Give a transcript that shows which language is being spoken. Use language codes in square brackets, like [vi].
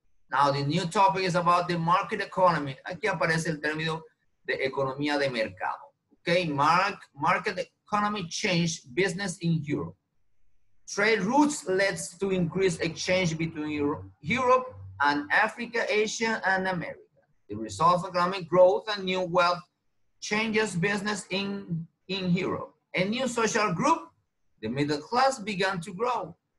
[en] Now the new topic is about the market economy. [es] Aquí aparece el término de economía de mercado. [en] Okay, market economy changed business in Europe. Trade routes led to increased exchange between Europe and Africa, Asia, and America. The result of economic growth and new wealth changes business in Europe. A new social group, the middle class, began to grow.